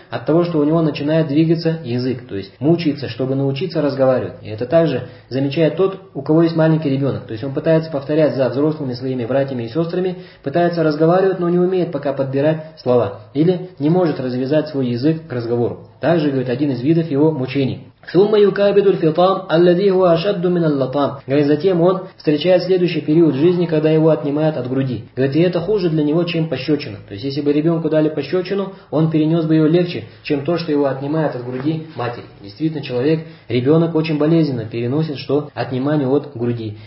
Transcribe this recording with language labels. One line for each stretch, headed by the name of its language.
Russian: От того, что у него начинает двигаться язык, то есть мучается, чтобы научиться разговаривать. И это также замечает тот, у кого есть маленький ребенок. То есть он пытается повторять за взрослыми своими братьями и сестрами, пытается разговаривать, но не умеет пока подбирать слова. Или не может развязать свой язык к разговору. Также, говорит, один из видов его мучений.
Arabic: ثم يكابد الفطام الذي هو أشد من اللطام.
Russian: Говорит, затем он встречает следующий период жизни, когда его отнимают от груди. Говорит, и это хуже для него, чем пощечина. То есть, если бы ребенку дали пощечину, он перенес бы ее легче, чем то, что его отнимают от груди матери. Действительно, человек, ребенок очень болезненно переносит, что отнимание от груди.